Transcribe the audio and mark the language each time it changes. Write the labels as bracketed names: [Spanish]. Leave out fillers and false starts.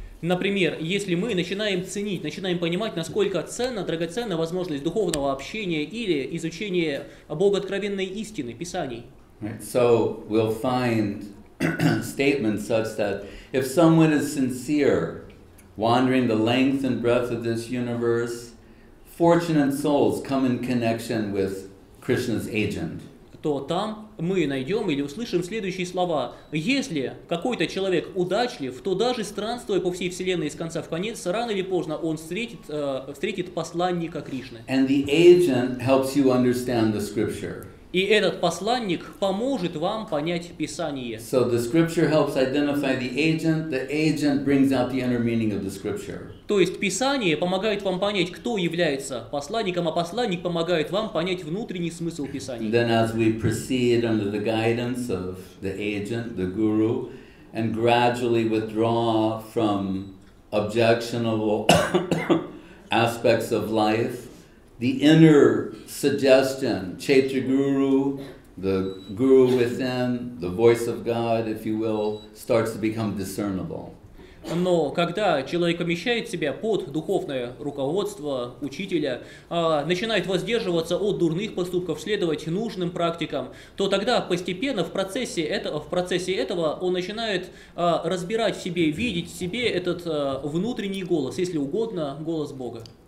[Russian] Например, если мы начинаем ценить, начинаем понимать, насколько ценна, драгоценна возможность духовного общения или изучения богооткровенной истины, Писаний. [English] Right. So we'll find statements such that if someone is sincere, wandering the length and breadth of this universe, fortunate souls come in connection with Krishna's agent. [Russian] То там мы найдем или услышим следующие слова. Если какой-то человек удачлив, то даже странствуя по всей Вселенной с конца в конец, рано или поздно он встретит посланника Кришны. [English] And the agent helps you understand the scripture. [Russian] И этот посланник поможет вам понять Писание. [English] So the scripture helps identify the agent brings out the inner meaning of the scripture. [Russian] То есть Писание помогает вам понять, кто является посланником, а посланник помогает вам понять внутренний смысл Писания. [English] Then as we proceed under the guidance of the agent, the guru, and gradually withdraw from objectionable aspects of life, the inner suggestion, Chaitya Guru, the guru within, the voice of God, if you will, starts to become discernible. [Russian] Но когда человек помещает себя под духовное руководство учителя, начинает воздерживаться от дурных поступков, следовать нужным практикам, то тогда постепенно в процессе этого он начинает разбирать в себе, видеть в себе этот внутренний голос, если угодно, голос Бога.